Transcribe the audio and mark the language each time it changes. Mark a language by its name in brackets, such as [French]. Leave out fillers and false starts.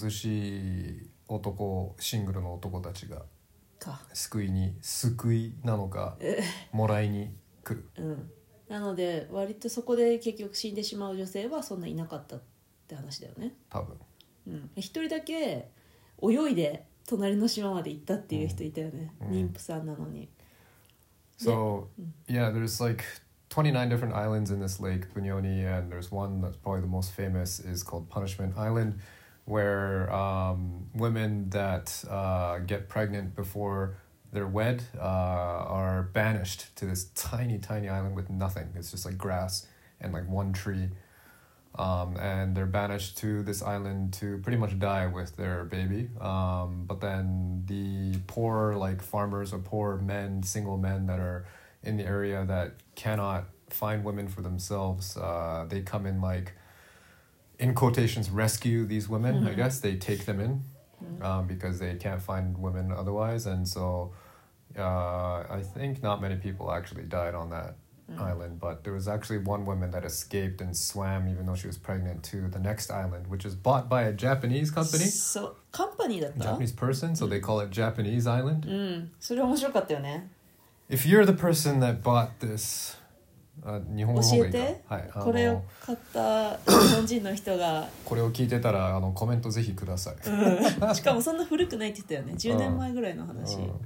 [Japanese] 貧しい男、シングルの男たちが救いに、救いなのかもらいに来る、うん、なので割とそこで結局死んでしまう女性はそんないなかったって話だよね、多分、うん、一人だけ泳いで隣の島まで行ったっていう人いたよね、うん、妊婦さんなのに、うん、 [English] So、うん、yeah, there's like 29 different islands in this lake Bunyoni, and there's one that's probably the most famous is called Punishment Island, where women that get pregnant beforethey're wed, are banished to this tiny, tiny island with nothing. It's just like grass and like one tree. And they're banished to this island to pretty much die with their baby. But then the poor like farmers or poor men, single men that are in the area that cannot find women for themselves, they come in like in quotations, rescue these women, I guess. They take them in because they can't find women otherwise. And so I think not many people actually died on that island. But there was actually one woman that escaped and swam, even though she was pregnant, to the next island, which is bought by a Japanese company. So, company だった? Japanese person, so they call it Japanese island. [Japanese] それ面白かったよね。 [English] If you're the person that bought this... [Japanese] 日本語の方がいいか、はい、これを買った日本人の人がこれを聞いてたらコメントぜひください、うん、しかもそんな古くないって言ったよね10年前ぐらいの話、